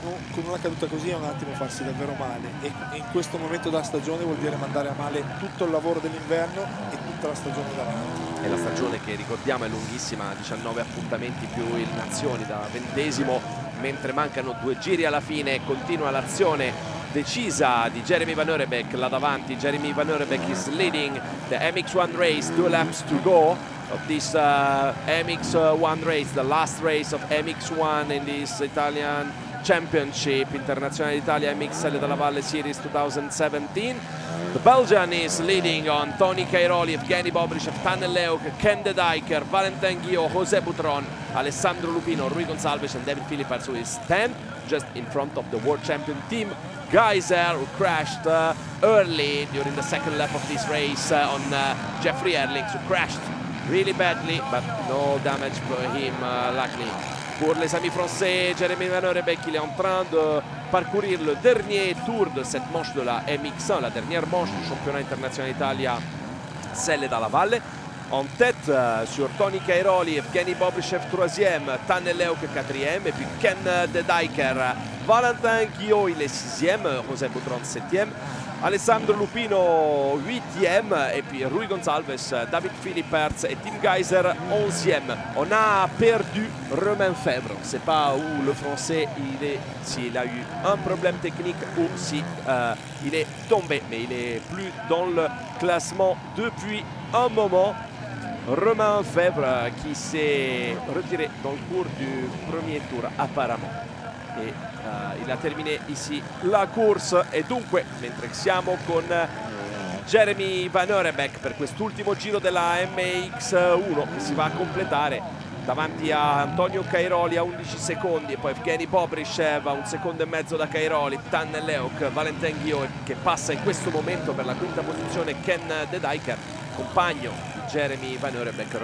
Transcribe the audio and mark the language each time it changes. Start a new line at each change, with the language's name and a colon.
Italian: Con una caduta così è un attimo farsi davvero male, e in questo momento della stagione vuol dire mandare a male tutto il lavoro dell'inverno e tutta la stagione davanti. È la stagione che ricordiamo è lunghissima, 19 appuntamenti più il Nazioni da 20°, mentre mancano 2 giri alla fine, continua l'azione decisa di Jeremy Van Eurebeck là davanti.
English: Jeremy Van Eurebeck is leading the MX1 race, 2 laps to go of this MX1 race, the last race of MX1 in this Italian Championship, Internazionale d'Italia MXL della Valle Series 2017. The Belgian is leading on Tony Cairoli, Evgeny Bobrishev, Tanel Leuk, Ken De Dijker, Valentin Guillaume, José Butron, Alessandro Lupino, Rui Gonçalves and David Philip are his 10th, just in front of the world champion team Geyser, who crashed early during the second lap of this race on Jeffrey Erlings, who crashed really badly, but no damage for him, luckily.
French: Pour les amis français, Jérémy Vanhoorre Beek, il est en train de parcourir le dernier tour de cette manche de la MX1, la dernière manche du championnat international d'Italia, celle dalla valle. En tête, sur Tony Cairoli, Evgeny Bobrichev, 3e, Tanel Leuk, 4e, et puis Ken De Dijker, Valentin Guillaume, il est 6e, José Boudron, 7e, Alessandro Lupino, 8e, et puis Rui Gonçalves, David Philippertz et Tim Geyser, 11e. On a perdu Romain Fèvre. C'est pas où le français il est, s'il a eu un problème technique ou si il est tombé, mais il est plus dans le classement depuis un moment. Romain Fèvre qui s'est retiré dans le cours du premier tour apparemment. Et il a terminé ici la course,
Italian: e dunque mentre siamo con Jérémy Vanhoorre Beek per quest'ultimo giro della MX1 che si va a completare davanti a Antonio Cairoli a 11 secondi e poi Evgeny Bobrichev a 1,5 secondi da Cairoli, Tanne Leuk, Valentin Guillaume che passa in questo momento per la 5ª posizione, Ken De Dijker, compagno di Jérémy Vanhoorre Beek.